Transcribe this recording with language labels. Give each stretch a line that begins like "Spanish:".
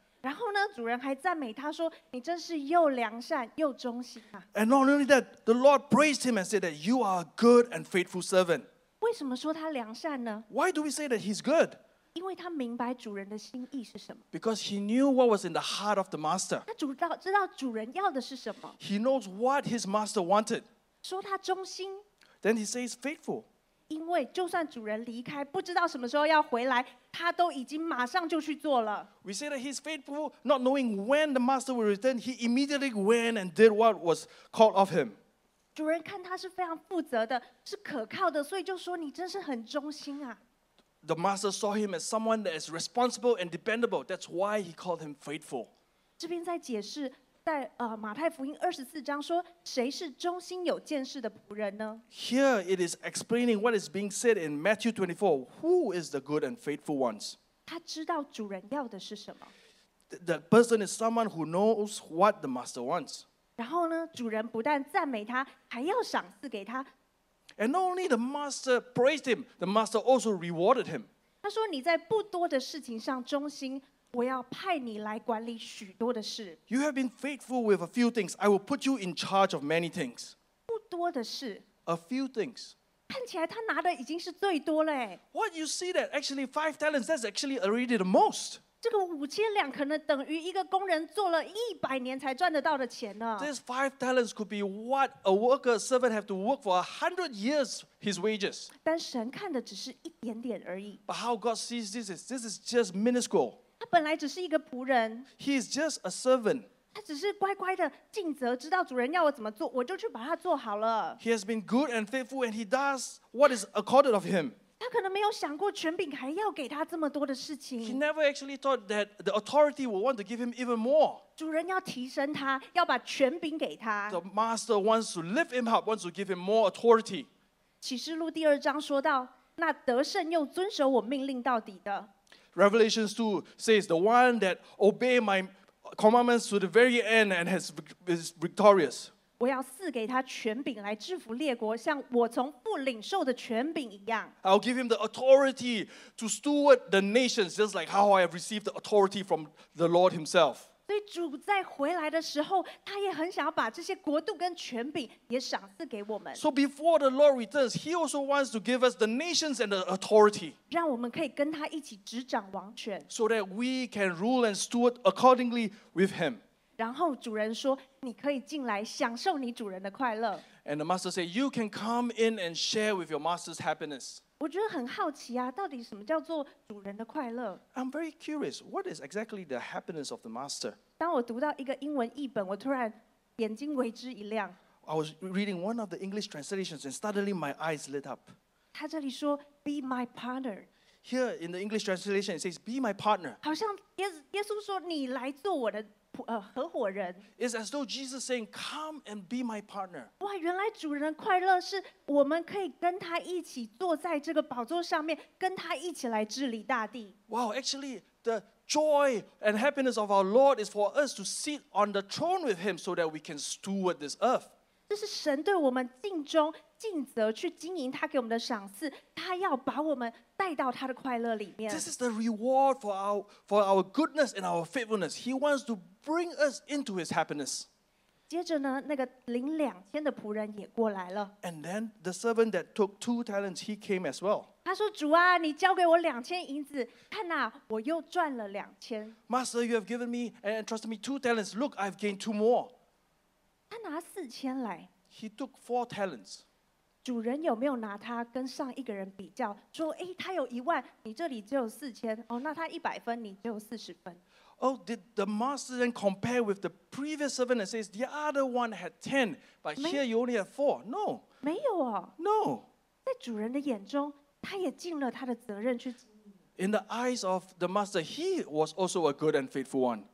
Chinese: 然后呢，主人还赞美他说：“你真是又良善又忠心啊。”
English: And not only that, the Lord praised him and said that you are a good and faithful servant.
Chinese: 为什么说他良善呢？
English: Why do we say that he's good?
Chinese: 因为他明白主人的心意是什么。
English: Because he knew what was in the heart of the master.
Chinese: 他知道主人要的是什么。
English: He knows what his master wanted.
Chinese: 说他忠心。
English: Then he says faithful.
Chinese: 因为就算主人离开，不知道什么时候要回来，他都已经马上就去做了。
English: We say that he's faithful, not knowing when the master will return. He immediately went and did what was called of him.
Chinese: 主人看他是非常负责的，是可靠的，所以就说你真是很忠心啊。
English: The master saw him as someone that is responsible and dependable. That's why he called him faithful.
Chinese: 这边在解释。在马太福音二十四章说，谁是忠心有见识的仆人呢？
English: Here it is explaining what is being said in Matthew 24. Who is the good and faithful ones?
Chinese: 他知道主人要的是什么。
English: The person is someone who knows what the master wants.
Chinese: 然后呢，主人不但赞美他，还要赏赐给他。
English: And not only the master praised him, the master also rewarded him.
Chinese: 他说你在不多的事情上忠心。我要派你来管理许多的事。
English: You have been faithful with a few things. I will put you in charge of many things.
Chinese: 不多的事。
English: A few things.
Chinese: 看起来他拿的已经是最多了。
English: What you see that actually five talents, that's actually already the most.
Chinese: 这个五千两可能等于一个工人做了一百年才赚得到的钱呢。
English: This five talents could be what a worker, a servant have to work for 100 years, his wages.
Chinese: 但神看的只是一点点而已。
English: But how God sees this is just minuscule.
Chinese: 他本来只是一个仆人。
English: He is just a servant.
Chinese: 他只是乖乖的尽责，知道主人要我怎么做，我就去把它做好了。
English: He has been good and faithful, and he does what is accorded of him.
Chinese: 他可能没有想过权柄还要给他这么多的事情。
English: He never actually thought that the authority would want to give him even more.
Chinese: 主人要提升他，要把权柄给他。
English: The master wants to lift him up, wants to give him more authority.
Chinese: 启示录第二章说到，那得胜又遵守我命令到底的。
English: Revelation 2 says, the one that obey my commandments to the very end and has, is victorious.
Chinese: 我要赐给他权柄来制服列国，像我从父领受的权柄一样。
English: I'll give him the authority to steward the nations, just like how I have received the authority from the Lord himself.
Chinese: 所以主在回来的时候，他也很想要把这些国度跟权柄也赏赐给我们。
English: So before the Lord returns, he also wants to give us the nations and the authority.
Chinese: 让我们可以跟他一起执掌王权。
English: So that we can rule and steward accordingly with him.
Chinese: 然后主人说，你可以进来享受你主人的快乐。
English: And the master said, you can come in and share with your master's happiness.
Chinese: 我觉得很好奇啊，到底什么叫做主人的快乐？
English: I'm very curious, what is exactly the happiness of the master?
Chinese: 当我读到一个英文译本，我突然眼睛为之一亮。
English: I was reading one of the English translations and suddenly my eyes lit up.
Chinese: 他这里说
English: be my partner. Here in the English translation it says be my partner.
Chinese: 好像耶稣说你来做我的合伙人。
English: It's as though Jesus saying, come and be my partner.
Chinese: 哇，原来主人快乐是我们可以跟他一起坐在这个宝座上面，跟他一起来治理大地。
English: Wow, actually, the joy and happiness of our Lord is for us to sit on the throne with him so that we can steward this earth.
Chinese: 这是神对我们尽忠尽责去经营他给我们的赏赐，他要把我们带到他的快乐里面。
English: This is the reward for our goodness and our faithfulness. He wants to bring us into his happiness.
Chinese: 接着呢，那个领两千的仆人也过来了。
English: And then the servant that took two talents, he came as well.
Chinese: 他说：“主啊，你交给我两千银子，看呐、啊，我又赚了两千。
English: ”Master, you have given me and entrusted me two talents. Look, I've gained two more.
Chinese: 他拿四千来。
English: He took four talents.
Chinese: 主人有没有拿他跟上一个人比较？说，哎，他有一万，你这里只有四千。哦，那他一百分，你只有四十分。
English: Oh, did the master then compare with the previous servant and says the other one had ten, but here you only have four? No.
Chinese: 没有哦。
English: No.
Chinese: 在主人的眼中，他也尽了他的责任去。
English: In the eyes of the master, he was also a good and faithful one.